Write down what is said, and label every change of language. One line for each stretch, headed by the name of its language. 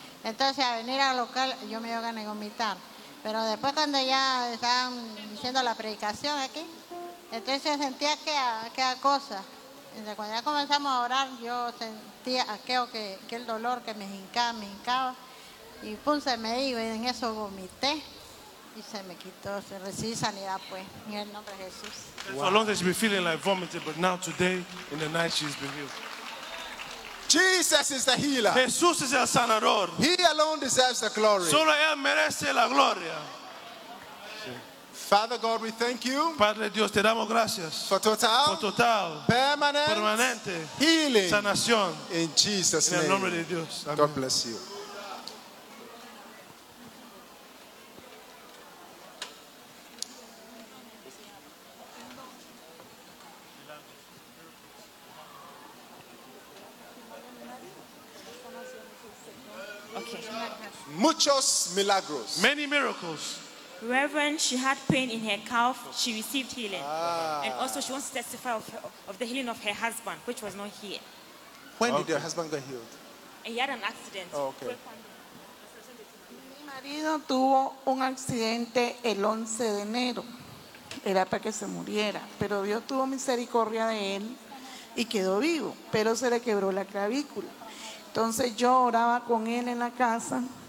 Spanish: Entonces, al venir al local, yo me dio ganas de vomitar. Pero después cuando ya estaban diciendo la predicación aquí, entonces sentía que a cosa. Entonces, cuando ya comenzamos a orar, yo sentía aquello que el dolor que me hincaba. Y pum, se me iba y en eso vomité y se me quitó, se recibió sanidad pues, en el nombre de Jesús.
English: Wow. As long as she's been feeling like vomiting, but now today, in the night, she's been healed. Jesus is the healer.
Spanish: Jesús es el sanador.
English: He alone deserves the glory.
Spanish: Solo él merece la gloria.
English: Father God, we thank you.
Spanish: Padre Dios, te damos gracias. Por total. Permanente.
English: Healing.
Spanish: Sanación.
English: In Jesus' name.
Spanish: En el nombre de Dios.
English: Amen. God bless you.
Spanish: Muchos milagros.
English: Many miracles. Reverend, she had pain in her calf. She received healing. Ah. And also she wants to testify of the healing of her husband, which was not here. When did your husband get healed? He had an accident. Oh, okay.
Spanish: Mi marido tuvo un accidente el 11 de enero. Era para que se muriera. Pero Dios tuvo misericordia de él y quedó vivo. Pero se le quebró la clavícula. Entonces yo oraba con él en la casa.